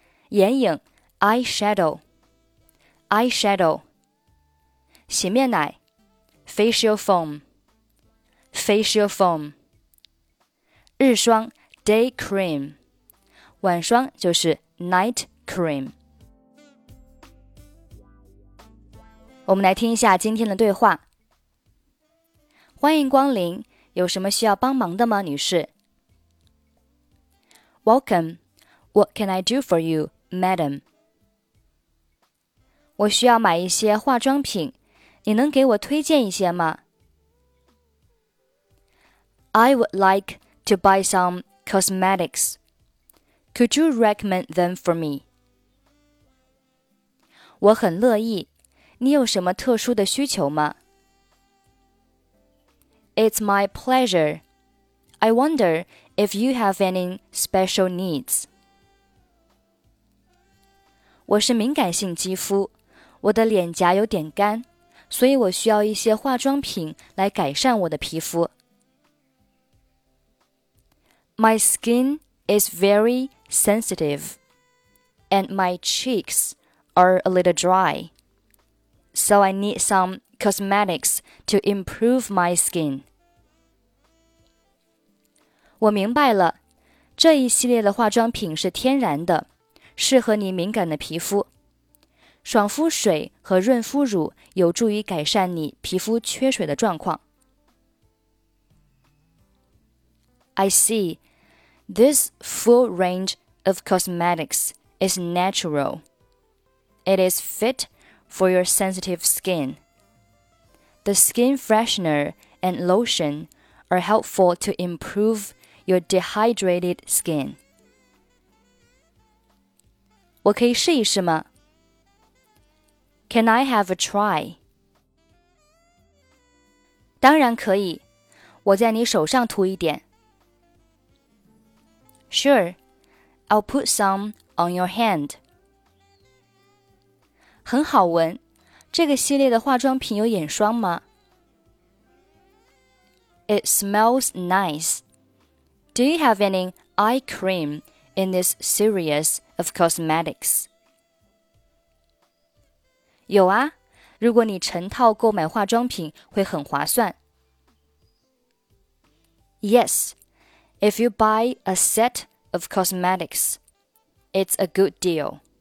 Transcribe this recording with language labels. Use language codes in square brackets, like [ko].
[en] 眼影 eyeshadow, eyeshadow. 洗面奶Facial foam, facial foam. 日霜 day cream, [zh] 晚霜就是 [en] night cream. [zh] 我们来听一下今天的对话。欢迎光临，有什么需要帮忙的吗，女士？ [en] Welcome, what can I do for you, madam? [zh] 我需要买一些化妆品。你能给我推荐一些吗？ [en] I would like to buy some cosmetics. Could you recommend them for me? [zh] 我很乐意。你有什么特殊的需求吗？ [en] It's my pleasure. I wonder if you have any special needs. [zh] 我是敏感性肌肤，我的脸颊有点干。所以我需要一些化妆品来改善我的皮肤。 [en] My skin is very sensitive, and my cheeks are a little dry. So I need some cosmetics to improve my skin. [zh] 我明白了，这一系列的化妆品是天然的，适合你敏感的皮肤。爽肤水和润肤乳有助于改善你皮肤缺水的状况。 [en] I see. This full range of cosmetics is natural. It is fit for your sensitive skin. The skin freshener and lotion are helpful to improve your dehydrated skin. [zh] 我可以试一试吗？ [en] Can I have a try? [zh] 当然可以，我在你手上涂一点。 [en] Sure, I'll put some on your hand. [zh] 很好闻，这个系列的化妆品有眼霜吗？ [en] It smells nice. Do you have any eye cream in this series of cosmetics? [zh] 有啊，如果你成套购买化妆品会很划算。 [en] Yes, if you buy a set of cosmetics, it's a good deal.